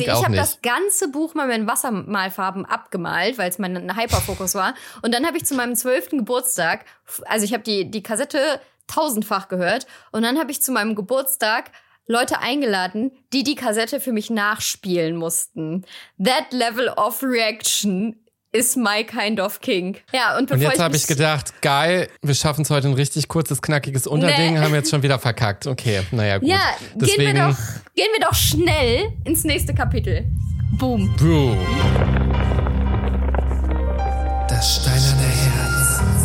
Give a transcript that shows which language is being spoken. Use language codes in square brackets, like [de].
[de] Ich habe das ganze Buch mal mit Wassermalfarben abgemalt, weil es mein Hyperfokus war. Und dann habe ich zu meinem 12. Geburtstag, also ich habe die Kassette tausendfach gehört. Und dann habe ich zu meinem Geburtstag Leute eingeladen, die Kassette für mich nachspielen mussten. [en] That level of reaction is my kind of kink. [de] Ja, und bevor und jetzt habe ich gedacht, geil, wir schaffen es heute ein richtig kurzes, knackiges Unterding, haben wir jetzt schon wieder verkackt. Okay, naja, gut. Ja, gehen wir doch schnell ins nächste Kapitel. Boom. Boom. Das steinerne Herz.